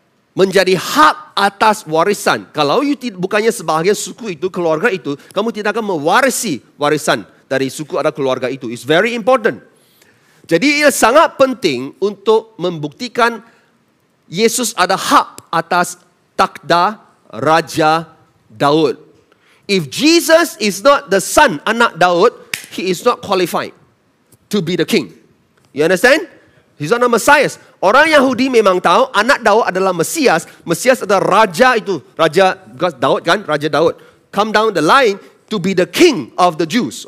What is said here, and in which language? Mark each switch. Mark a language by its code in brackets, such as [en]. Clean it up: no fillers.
[ms] Menjadi hak atas warisan. Kalau you bukannya sebahagian suku itu, keluarga itu, kamu tidak akan mewarisi warisan dari suku atau keluarga itu. [en] It's very important. [ms] Jadi ia sangat penting untuk membuktikan Yesus ada hak atas takhta Raja Daud. [en] If Jesus is not the son, [ms] anak Daud, [en] he is not qualified to be the king. You understand? He's not a Messiah. [ms] Orang Yahudi memang tahu anak Daud adalah Mesias. Mesias adalah raja itu. Raja Daud kan? Raja Daud. [en] Come down the line to be the king of the Jews.